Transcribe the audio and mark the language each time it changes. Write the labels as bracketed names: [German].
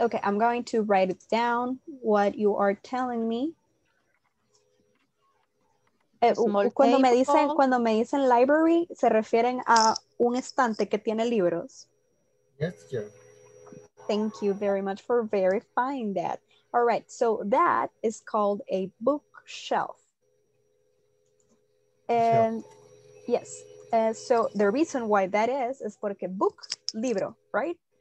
[English] Okay, I'm going to write it down, what you are telling me. [Spanish] Cuando me dicen library, ¿se refieren a un estante que tiene libros? [English] Yes, sir. Thank you very much for verifying that. All right, so that is called a bookshelf. And yes, so the reason why that is porque book, libro, right?